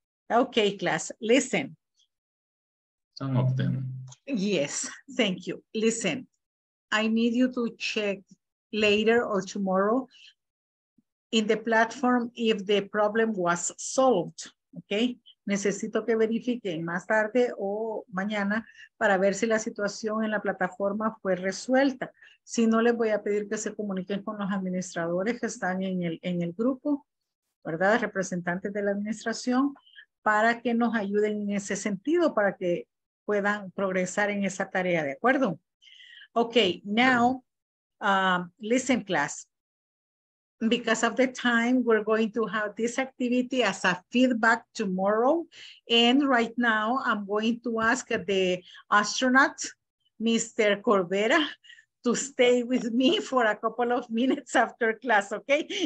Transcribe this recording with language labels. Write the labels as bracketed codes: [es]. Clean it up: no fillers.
[en] Okay, class, listen. Some of them. Yes, thank you. Listen, I need you to check later or tomorrow in the platform if the problem was solved, okay? [es] Necesito que verifiquen más tarde o mañana para ver si la situación en la plataforma fue resuelta. Si no, les voy a pedir que se comuniquen con los administradores que están en el grupo, ¿verdad? Representantes de la administración, para que nos ayuden en ese sentido, para que puedan progresar en esa tarea, ¿de acuerdo? [en] Okay, now, listen, class. Because of the time, we're going to have this activity as a feedback tomorrow. And right now, I'm going to ask the astronaut, Mr. Corbera, to stay with me for a couple of minutes after class, okay?